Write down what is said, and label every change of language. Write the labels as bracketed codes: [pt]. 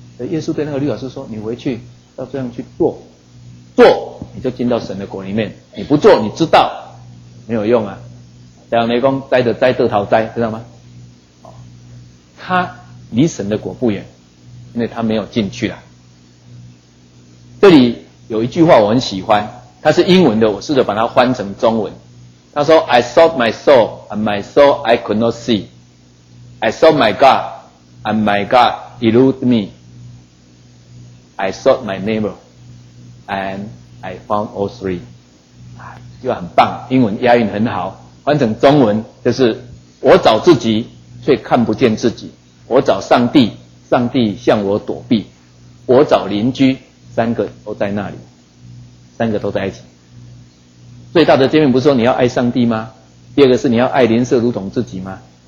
[zh] 耶稣对那个律法师说，你回去要这样去做，做你就进到神的国里面，你不做你知道没有用啊。讲雷公栽的栽得逃栽，知道吗？他离神的国不远，因为他没有进去啦。这里有一句话我很喜欢，它是英文的，我试着把它翻成中文。他说 [en] I sought my soul and my soul I could not see, I sought my God and my God eluded meI sought my neighbor, and I found all three. [zh] 就很棒，英文押韵很好。翻成中文就是：我找自己，却看不见自己；我找上帝，上帝向我躲避；我找邻居，三个都在那里，三个都在一起。最大的诫命不是说你要爱上帝吗？第二个是你要爱邻舍如同自己吗？